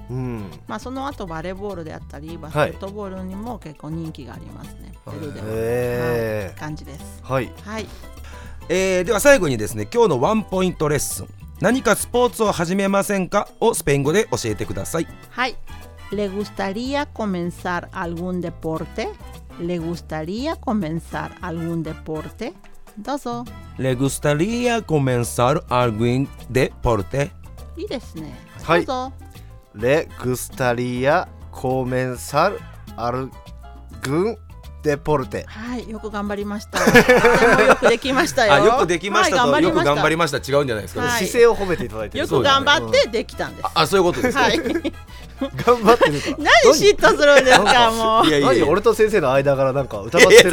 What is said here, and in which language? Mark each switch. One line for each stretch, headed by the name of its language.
Japanese: うん、まあ、その後バレーボールであったりバスケットボールにも結構人気がありますね、はい、ペルーでは、はい、感じです。はい、はい、では最後にですね、今日のワンポイントレッスン、何かスポーツを始めませんかをスペイン語で教えてください。はい。
Spanish: Le gustaría comenzar algún deporte? Le gustaría comenzar algún deporte?
Japanese: どうぞ。
Spanish: Le gustaría comenzar algún deporte?
Japanese: いいですね、はい、どうぞ。
Spanish: Le gustaría comenzar algún デポルテ。
Japanese: はい、よく頑張りました。よくできましたよ。あ、よくできましたと、はい、よく頑張りました違うんじゃないですか、はい、姿勢を褒めていただいてよく頑張ってできたんです。あ、そういうことですか、はい、頑張ってるか。何嫉妬するんですか。もういやいやいや、俺と先生の間からなんか疑ってるのか。いやいや、